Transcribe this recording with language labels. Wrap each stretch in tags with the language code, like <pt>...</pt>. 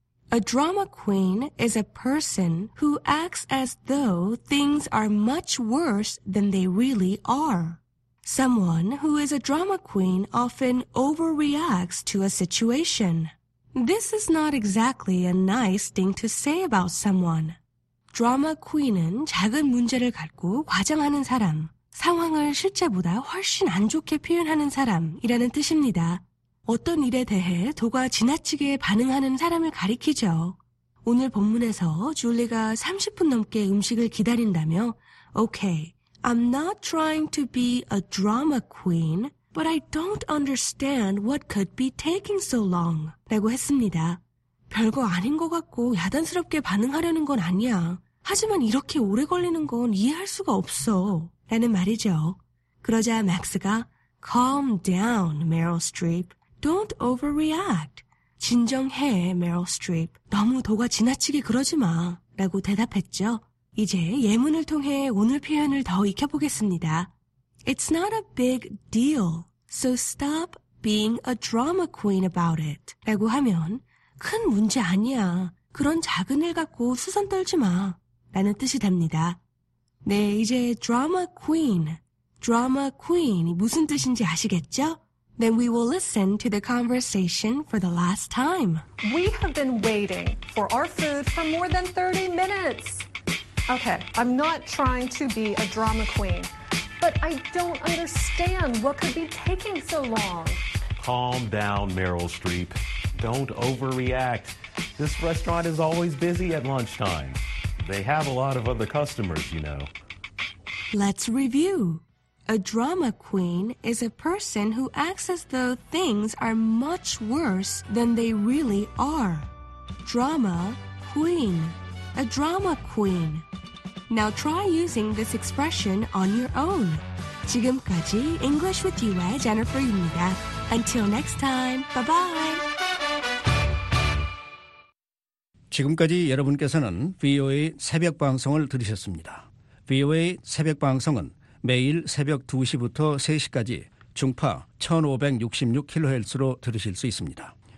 <en>A drama queen is a person who acts as though things are much worse than they really are. Someone who is a drama queen often overreacts to a situation. This is not exactly a nice thing to say about someone.</en> <ko>드라마 퀸은 작은 문제를 갖고 과장하는 사람, 상황을 실제보다 훨씬 안 좋게 표현하는 사람이라는 뜻입니다. 어떤 일에 대해 도가 지나치게 반응하는 사람을 가리키죠. 오늘 본문에서 줄리가 30분 넘게 음식을 기다린다며</ko> <en>Okay, I'm not trying to be a drama queen, but I don't understand what could be taking so long</en> <ko>라고 했습니다. 별거 아닌 것 같고 야단스럽게 반응하려는 건 아니야. 하지만 이렇게 오래 걸리는 건 이해할 수가 없어. 라는 말이죠. 그러자 맥스가</ko> <en>Calm down, Meryl Streep. Don't overreact.</en> <ko>진정해,</ko> <en>Meryl Streep.</en> <ko>너무 도가 지나치게 그러지 마. 라고 대답했죠. 이제 예문을 통해 오늘 표현을 더 익혀보겠습니다.</ko> <en>It's not a big deal, so stop being a drama queen about it.</en> <ko>라고 하면 큰 문제 아니야. 그런 작은 일 갖고 수선 떨지 마. 라는 뜻이 됩니다. 네, 이제 드라마 퀸. 드라마 퀸이 무슨 뜻인지 아시겠죠?</ko> <en>Then we will listen to the conversation for the last time. We have been waiting for our food for more than 30 minutes. Okay, I'm not trying to be a drama queen, but I don't understand what could be taking so long. Calm down, Meryl Streep. Don't overreact. This restaurant is always busy at lunchtime. They have a lot of other customers, you know. Let's review. A drama queen is a person who acts as though things are much worse than they really are. Drama queen. A drama queen. Now try using this expression on your own.</en> <ko>지금까지 English with you의 Jennifer입니다.</ko> <en>Until next time, bye-bye.</en> <ko>지금까지 여러분께서는 VOA 새벽 방송을 들으셨습니다. VOA 새벽 방송은 매일 새벽 2시부터 3시까지 중파 1566kHz로 들으실 수 있습니다.</ko>